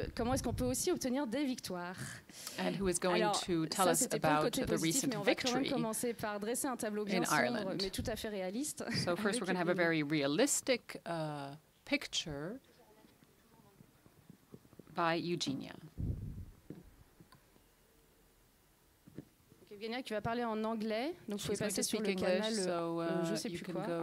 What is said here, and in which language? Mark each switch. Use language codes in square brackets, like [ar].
[fr] Comment est-ce qu'on peut aussi obtenir des victoires? [en] And who is going to tell us about the recent victory [fr] dresser un tableau bien sombre, mais tout à fait réaliste. [en] So first we're going to have a very realistic picture by Eugenia. [fr] Eugenia qui va parler en anglais, donc vous pouvez passer sur le canal, je ne sais plus quoi,